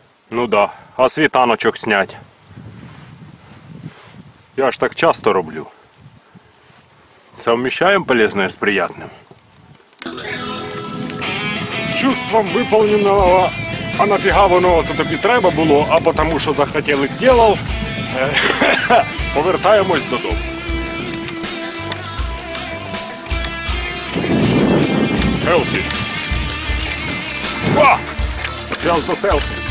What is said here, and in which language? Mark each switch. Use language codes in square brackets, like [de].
[uk] Ну да, а світаночок снять. Я ж так часто роблю. [ru] Совмещаем полезное с приятным. С чувством выполненного. [uk] А нафіга воно це тобі треба було, а потому що захотів і зробив. Повертаємось додому. Селфі. Взяв то селфі.